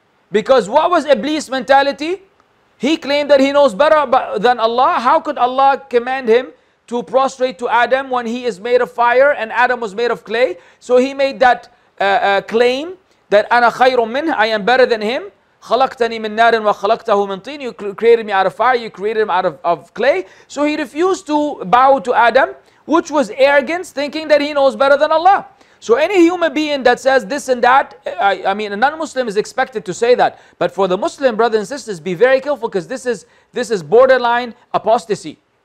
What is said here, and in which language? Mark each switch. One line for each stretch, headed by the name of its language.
English: Because what was Iblis' mentality? He claimed that he knows better than Allah. How could Allah command him to prostrate to Adam when he is made of fire and Adam was made of clay? So he made that claim that
Arabic: أنا خير منه,
English: I am better than him.
Arabic: خلقتني من نار وخلقته من طين.
English: You created me out of fire, you created him out of clay. So he refused to bow to Adam, which was arrogance, thinking that he knows better than Allah. So any human being that says this and that, I mean, a non-Muslim is expected to say that. But for the Muslim brothers and sisters, be very careful, because this is borderline apostasy.